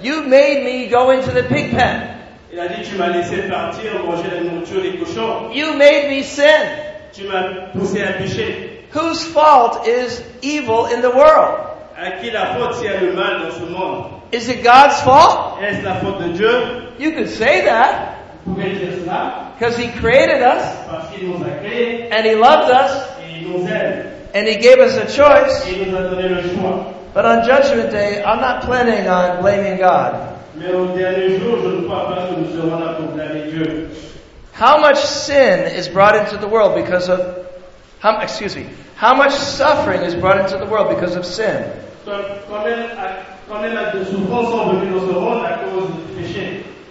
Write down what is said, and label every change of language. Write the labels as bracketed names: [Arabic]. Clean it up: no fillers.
[English] you made me go into the pig pen. [French] Il a dit, tu m'as laissé partir, manger la nourriture des cochons. [English] You made me sin. [French] Tu m'as poussé à pécher. [English] Whose fault is evil in the world? [French] À qui la faute s'il y a le mal dans ce monde? [English] Is it God's fault? [French] Est-ce la faute de Dieu? [English] You could say that. Because he created us. [French] Parce qu'il nous a créés, [English] and he loves us. [French] Et il nous aime. [English] And he gave us a choice. [French] Et il nous a donné le choix. [English] But on Judgment Day, I'm not planning on blaming God. [French] Mais au dernier jour, je ne crois pas que nous serons là pour blâmer Dieu. [English] How much sin is brought into the world because of... Excuse me. How much suffering is brought into the world because of sin? [French] Combien de souffrances sont venues dans ce monde à cause du péché?